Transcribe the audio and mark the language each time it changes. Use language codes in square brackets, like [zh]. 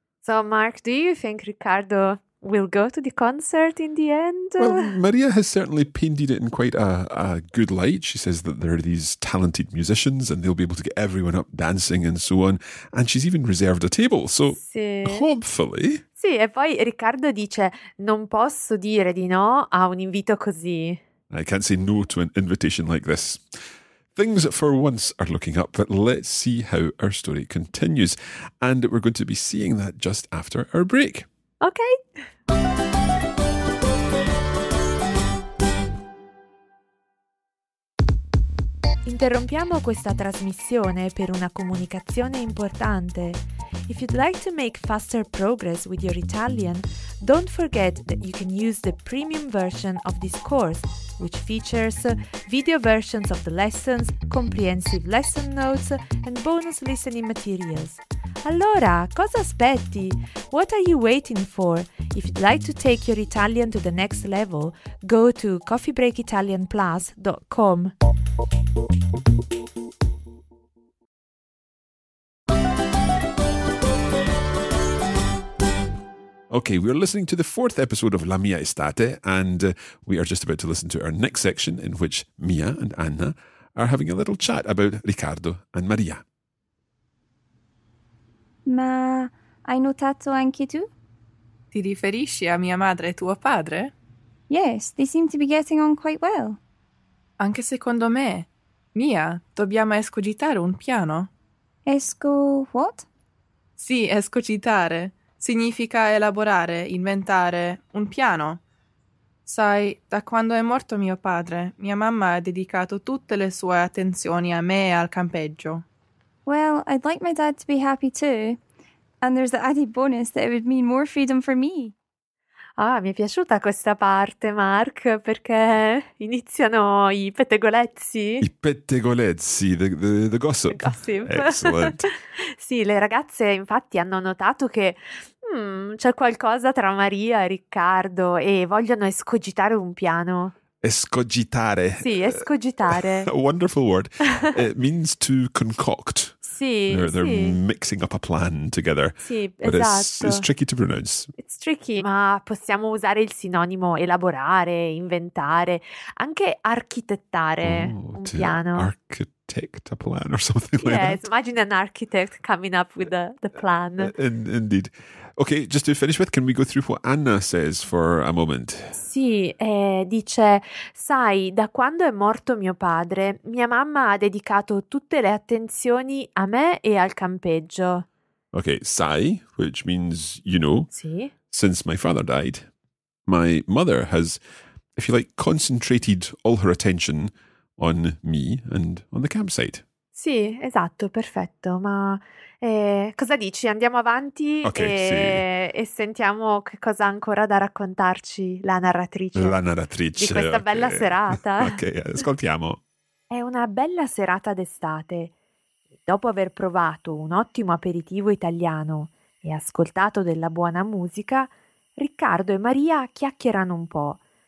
[en] So, Mark, do you think Ricardo will go to the concert in the end? Well, Maria has certainly painted it in quite a good light. She says that there are these talented musicians and they'll be able to get everyone up dancing and so on. And she's even reserved a table. So, [it] sì. [en] Hopefully... [it] Sì, e poi Riccardo dice, non posso dire di no a un invito così. [en] I can't say no to an invitation like this. Things for once are looking up, but let's see how our story continues. And we're going to be seeing that just after our break. Okay. [it] Interrompiamo questa trasmissione per una comunicazione importante. [en] If you'd like to make faster progress with your Italian, don't forget that you can use the premium version of this course, which features video versions of the lessons, comprehensive lesson notes, and bonus listening materials. [it] Allora, cosa aspetti? [en] What are you waiting for? If you'd like to take your Italian to the next level, go to coffeebreakitalianplus.com. Okay, we're listening to the fourth episode of La Mia Estate, and we are just about to listen to our next section in which Mia and Anna are having a little chat about Riccardo and Maria. [it] Ma hai notato anche tu? Ti riferisci a mia madre e tuo padre? [en] Yes, they seem to be getting on quite well. [it] Anche secondo me. Mia, dobbiamo escogitare un piano. [en] Esco what? [it] Sì, escogitare. Significa elaborare, inventare un piano. Sai, da quando è morto mio padre, mia mamma ha dedicato tutte le sue attenzioni a me e al campeggio. [en] Well, I'd like my dad to be happy too. And there's the added bonus that it would mean more freedom for me. [it] Ah, mi è piaciuta questa parte, Mark, perché iniziano i pettegolezzi. I pettegolezzi, [en] the gossip. The gossip. Excellent. [it] Sì, le ragazze infatti hanno notato che c'è qualcosa tra Maria e Riccardo e vogliono escogitare un piano. Escogitare. Sì, escogitare. [en] A wonderful word. It means to concoct. [it] Sì, [en] they're mixing up a plan together. [it] Sì, [en] but [it] esatto. [en] It's tricky to pronounce. It's tricky, [it] ma possiamo usare il sinonimo elaborare, inventare, anche architettare un piano. [en] Architect a plan or something like that. Yes, imagine an architect coming up with the plan. Indeed. Okay, just to finish with, can we go through what Anna says for a moment? [it] Sì, dice, sai, da quando è morto mio padre, mia mamma ha dedicato tutte le attenzioni a me e al campeggio. [en] Okay, sai, which means you know. [it] Sì. [en] Since my father died, my mother has, if you like, concentrated all her attention on me and on the campsite. [it] Sì, esatto, perfetto, ma... cosa dici? Andiamo avanti e sentiamo che cosa ha ancora da raccontarci la narratrice di questa bella serata. Ok, ascoltiamo. È una bella serata d'estate. Dopo aver provato un ottimo aperitivo italiano e ascoltato della buona musica, Riccardo e Maria chiacchierano un po'.